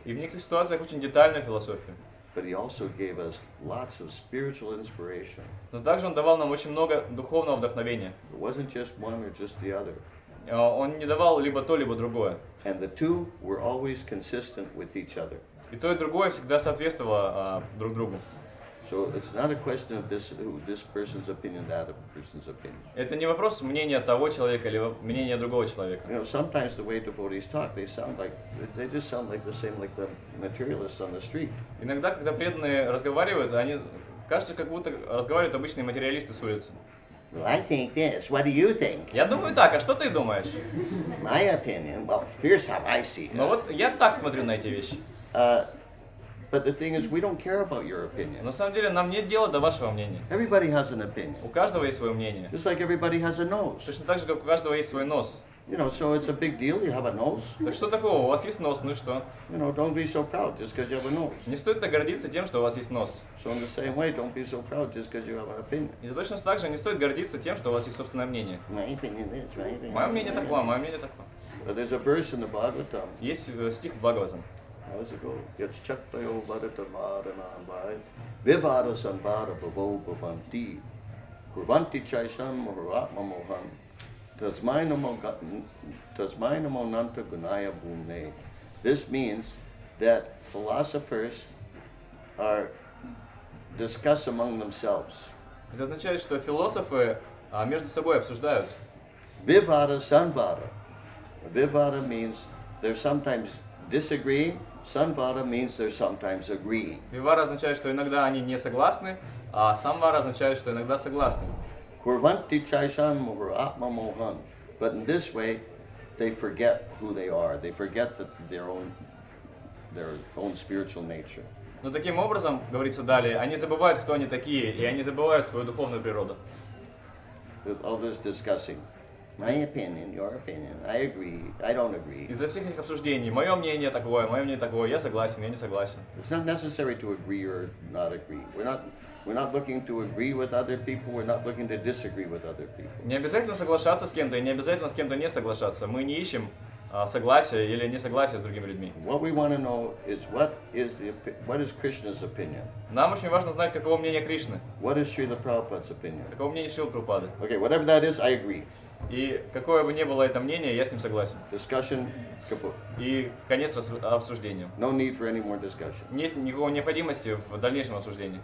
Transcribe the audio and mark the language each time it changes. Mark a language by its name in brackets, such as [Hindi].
[Russian] И в некоторых ситуациях очень детальную философию. [English] But he also gave us lots of spiritual inspiration. [Russian] Но также он давал нам очень много духовного вдохновения. [English] It wasn't just one or just the other. [Russian] Он не давал либо то, либо другое. [English] And the two were always consistent with each other. [Russian] И то, и другое всегда соответствовало друг другу. [English] So it's not a question of this person's opinion, that person's opinion. [Russian] Это не вопрос мнения того человека или мнения другого человека. [English] You know, sometimes the way devotees talk, they just sound like the same, like the materialists on the street. [Russian] Иногда, когда преданные разговаривают, они кажется, как будто разговаривают обычные материалисты с улицы. [English] Well, I think this. What do you think? [Russian] Я думаю так. А что ты думаешь? [English] My opinion. Well, here's how I see it. [Russian] Ну вот я так смотрю на эти вещи. [English] But the thing is, we don't care about your opinion. [Russian] На самом деле, нам нет дела до вашего мнения. [English] Everybody has an opinion. [Russian] У каждого есть свое мнение. [English] Just like everybody has a nose. [Russian] Точно так же, как у каждого есть свой нос. [English] You know, so it's a big deal. You have a nose. [Russian] Так что такого? У вас есть нос, ну и что? [English] You know, don't be so proud just because you have a nose. [Russian] Не стоит так гордиться тем, что у вас есть нос. [English] So in the same way, don't be so proud just because you have an opinion. [Russian] И точно так же не стоит гордиться тем, что у вас есть собственное мнение. [English] My opinion is right. But there's a verse in the Bhagavatam. [Russian] Есть стих в Бхагаватам. [English] How's it go? [Sanskrit] Yet chaktayo varita maranam bhait vivara sambhara bhavo bhavanti kurvanti chai sam huratma mohan tasmainamo nanta gunaya bhune. [English] This means that philosophers are discuss among themselves. [Russian] Это означает, что философы между собой обсуждают. [Sanskrit] Vivara sambhara. [English] Vivara means they're sometimes disagreeing. Sanvara means they're sometimes agreeing. [Russian] Vivara означает, что иногда они не согласны, а samvara означает, что иногда согласны. [Sanskrit] Kurvanti chaisham atma mohan. [English] But in this way, they forget who they are. They forget that their own spiritual nature. [Russian] Но таким образом, говорится далее, они забывают, кто они такие, и они забывают свою духовную природу. [English] All this discussing. My opinion, your opinion. I agree. I don't agree. [Russian] Из-за всех этих обсуждений. Мое мнение такое. Я согласен. Я не согласен. [English] It's not necessary to agree or not agree. We're not looking to agree with other people. We're not looking to disagree with other people. [Russian] Не обязательно соглашаться с кем-то и не обязательно с кем-то не соглашаться. Мы не ищем согласия или несогласия с другими людьми. [English] What we want to know is what is Krishna's opinion. [Russian] Нам очень важно знать, каково мнение Кришны. [English] What is Srila Prabhupada's opinion? [Russian] Каково мнение Шрилы Прабхупады? [English] Okay, whatever that is, I agree. [Russian] И какое бы ни было это мнение, я с ним согласен. [English] Discussion kaput. [Russian] И конец обсуждению. [English] No need for any more discussion. [Russian] Нет никакого необходимости в дальнейшем обсуждении.